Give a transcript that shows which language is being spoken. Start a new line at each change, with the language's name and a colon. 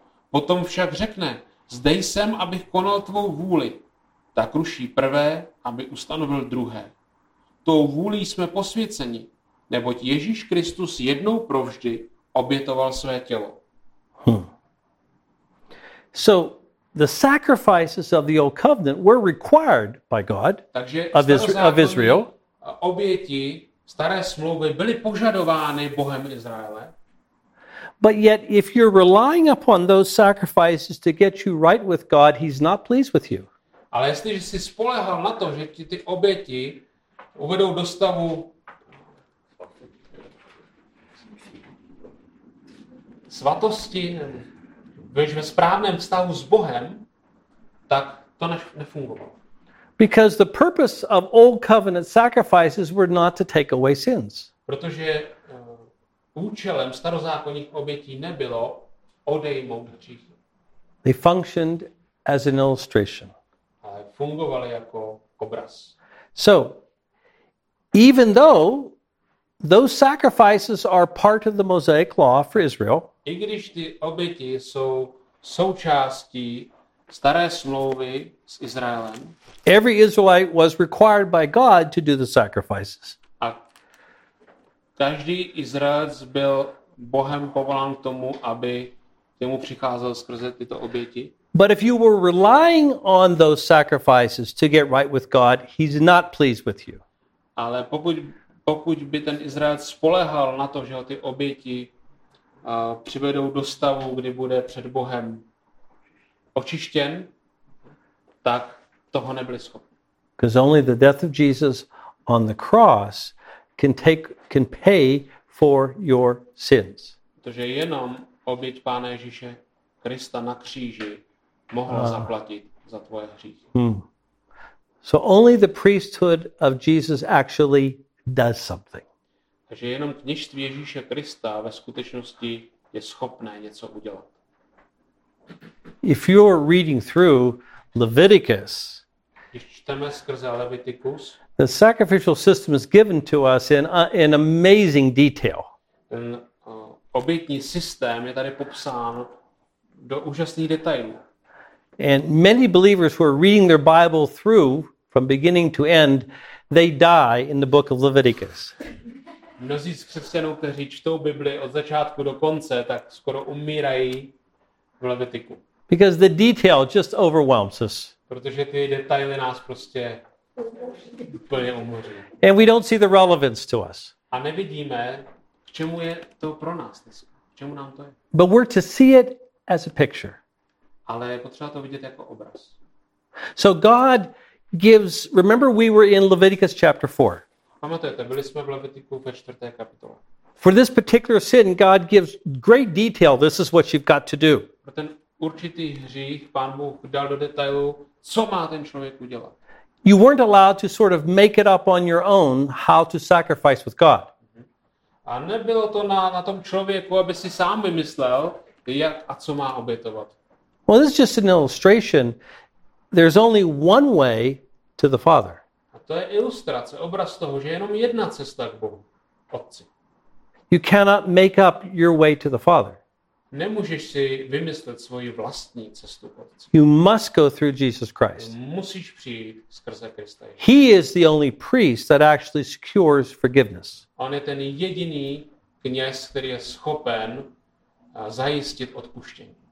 Czech: Potom však řekne, zde jsem, abych konal tvou vůli, tak ruší prvé, aby ustanovil druhé. Tou vůlí jsme posvěceni, neboť Ježíš Kristus jednou provždy obětoval své tělo.
English: So the sacrifices of the old covenant were required by God of Israel.
Czech: Oběti staré smlouvy byly požadovány Bohem Izraele.
English: But yet if you're relying upon those sacrifices to get you right with God, he's not pleased with you.
Czech: Ale jestliže jsi spoléhal na to, že ti ty oběti uvedou do stavu svatosti, byl ve správném vztahu s Bohem, tak to nefungovalo.
English: Because the purpose of old covenant sacrifices were not to take away sins.
Czech: Protože účelem starozákonních obětí nebylo odejmout hříchy.
English: They functioned as an illustration.
Czech: Ale fungovaly jako obraz.
English: So, even though those sacrifices are part of the Mosaic law for Israel.
Czech: I když ty oběti jsou součástí staré smlouvy s Izraelem.
English: Every Israelite was required by God to do the sacrifices.
Czech: A každý Izraelec byl Bohem povolán k tomu, aby jemu přicházel skrze tyto oběti.
English: But if you were relying on those sacrifices to get right with God, he's not pleased with you.
Czech: Ale pokud by ten Izrael spoléhal na to, že ho ty oběti přivedou do stavu, kdy bude před Bohem očištěn, tak toho nebyli schopni.
English: Because only the death of Jesus on the cross can pay for your sins.
Czech: Protože jenom oběť Pána Ježíše Krista na kříži mohla zaplatit za tvoje hříchy.
English: So only the priesthood of Jesus actually does something.
Czech: že jenom kněžství Ježíše Krista ve skutečnosti je schopné něco udělat.
English: If you're reading through Leviticus,
Czech: když čteme skrze Leviticus,
English: the sacrificial system is given to us in amazing detail.
Czech: Ten obětní systém je tady popsán do úžasných detailů.
English: And many believers who are reading their Bible through from beginning to end, they die in the book of Leviticus.
Czech: Mnozí z křesťanů, kteří čtou Bibli od začátku do konce, tak skoro umírají v Levitiku.
English: Because the detail just overwhelms us.
Czech: Protože ty detaily nás prostě úplně umoří.
English: And we don't see the relevance to us.
Czech: A nevidíme, k čemu je to pro nás. K čemu nám to je.
English: But we're to see it as a picture.
Czech: Ale je potřeba to vidět jako obraz.
English: So God gives, remember we were in Leviticus chapter 4.
Czech: Pamatujete, byli jsme v Levitiku ve 4. kapitole.
English: For this particular sin, God gives great detail. This is what you've got to do.
Czech: Pro ten určitý hřích Pán Bůh dal do detailu, co má ten člověk udělat.
English: You weren't allowed to sort of make it up on your own how to sacrifice with God.
Czech: A nebylo to na tom člověku, aby si sám vymyslel, jak a co má obětovat.
English: Well, this is just an illustration. There's only one way to the Father.
Czech: A to je ilustrace, obraz toho, že jenom jedna cesta k Bohu, Otci.
English: You cannot make up your way to the Father.
Czech: Nemůžeš si vymyslet svoji vlastní cestu k Otci.
English: You must go through Jesus Christ.
Czech: Musíš přijít skrze Krista.
English: He is the only priest that actually secures forgiveness.
Czech: On je ten jediný kněz, který je schopen zajistit odpuštění.